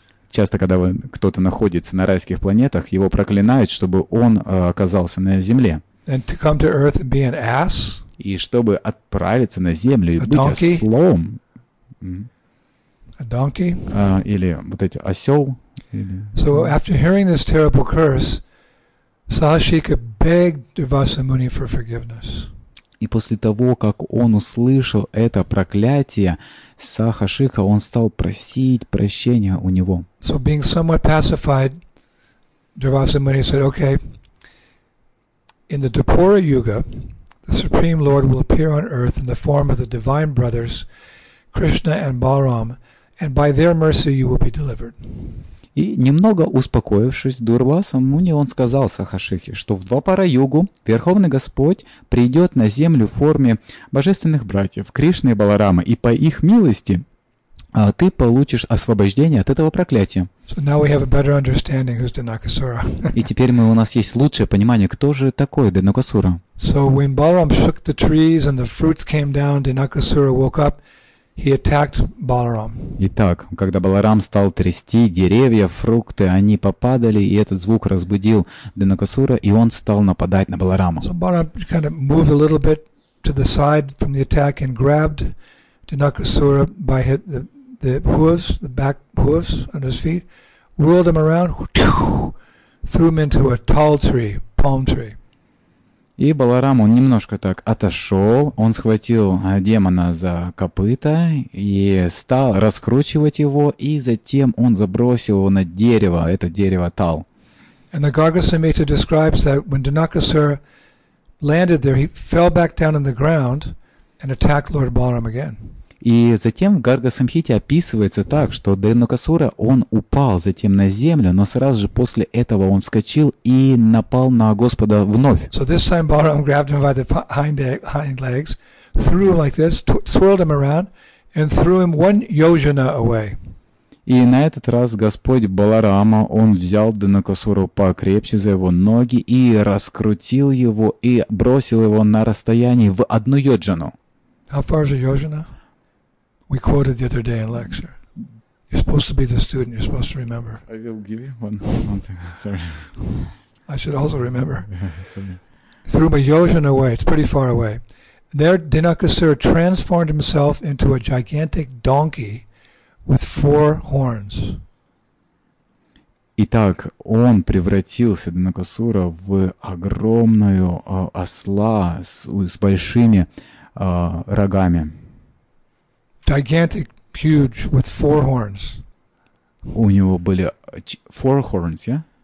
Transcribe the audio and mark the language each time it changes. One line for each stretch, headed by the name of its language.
Russian: Часто, когда кто-то находится на райских планетах, его проклинают, чтобы он оказался на земле.
English: And to come to earth and be an ass,
Russian: и чтобы отправиться на землю и быть
English: donkey,
Russian: ослом.
English: A donkey.
Russian: Или вот эти осел.
English: So after hearing this terrible curse, Sahashika begged Durvasa Muni for forgiveness.
Russian: И после того, как он услышал это проклятие, Сахашика, он стал просить прощения у него.
English: So being somewhat pacified, Durvasa Muni said, "Okay. In the Dwapara Yuga, the Supreme Lord will appear on earth in the form of the divine brothers Krishna and Balaram, and by their mercy you will be delivered."
Russian: И немного успокоившись, Дурваса Муни, он сказал Сахашихе, что в Двапара-югу Верховный Господь придет на землю в форме божественных братьев Кришны и Баларамы, и по их милости ты получишь освобождение от этого проклятия.
English: So now we have a better understanding who's Dinakasura.
Russian: И теперь у нас есть лучшее понимание, кто же такой Динакасура.
English: So when Balaram shook the trees and the fruits came down, Dinakasura woke up. He attacked Balaram.
Russian: Итак, когда Баларам стал трясти деревья, фрукты, они попадали, и этот звук разбудил Динакасура, и он стал нападать на Баларама.
English: So Balaram kind of moved a little bit to the side from the attack and grabbed Dinakasura by the hooves, the back hooves on his feet, whirled him around, threw him into a tall tree, palm tree.
Russian: И Баларам, он немножко так отошел, он схватил демона за копыта и стал раскручивать его, и затем он забросил его на дерево, это дерево Тал.
English: And the Garga Samhita describes that when Dhanakasura landed there, he fell back down on the ground and attacked Lord Balaram again.
Russian: И затем в Гарга-самхите описывается так, что Дхенукасура, он упал затем на землю, но сразу же после этого он вскочил и напал на Господа вновь.
English: So this time Balaram grabbed him by the hind legs, threw him like this, swirled him around, and threw him one yojana away.
Russian: И на этот раз Господь Баларама, он взял Дхенукасуру покрепче за его ноги и раскрутил его, и бросил его на расстоянии в одну йоджану.
English: How far is a yojana? We quoted the other day in lecture. You're supposed to be the student. You're supposed to remember. I will give you one second. Sorry. I should also remember. Threw a yojana away. It's pretty far away. There, Dhanakasura transformed himself into a gigantic donkey with four horns.
Russian: Итак, он превратился, Дханакасура, в огромную осла с большими рогами.
English: Gigantic, huge, with four horns.
Russian: У него были
English: four horns, yeah?